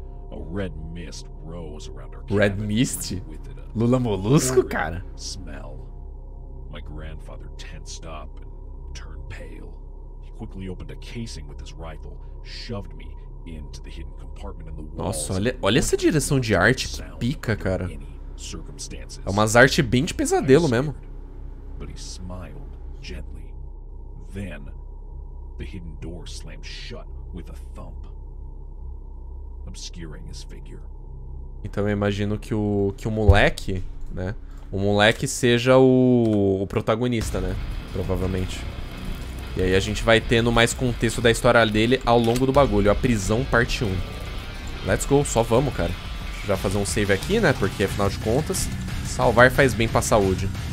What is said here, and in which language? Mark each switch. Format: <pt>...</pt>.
<en>A red mist rose around our cabin. Red mist? Lula Molusco, cara. Smell. My grandfather tensed up and turned pale. Quickly opened a casing with his rifle, shoved me into the hidden compartment in the wall.</en> <pt>Nossa, olha essa direção de arte, pica, cara. É umas arte bem de pesadelo mesmo.</pt> <en>But he smiled gently. Then the hidden door slammed shut with a thump, obscuring his figure.</en> <pt>Então eu imagino que o moleque, né? O moleque seja o protagonista, né? Provavelmente. E aí a gente vai tendo mais contexto da história dele ao longo do bagulho. A prisão parte 1.</pt> <en>Let's go,</en> <pt>só vamos, cara. Já fazer um save aqui, né? Porque, afinal de contas, salvar faz bem pra saúde.</pt>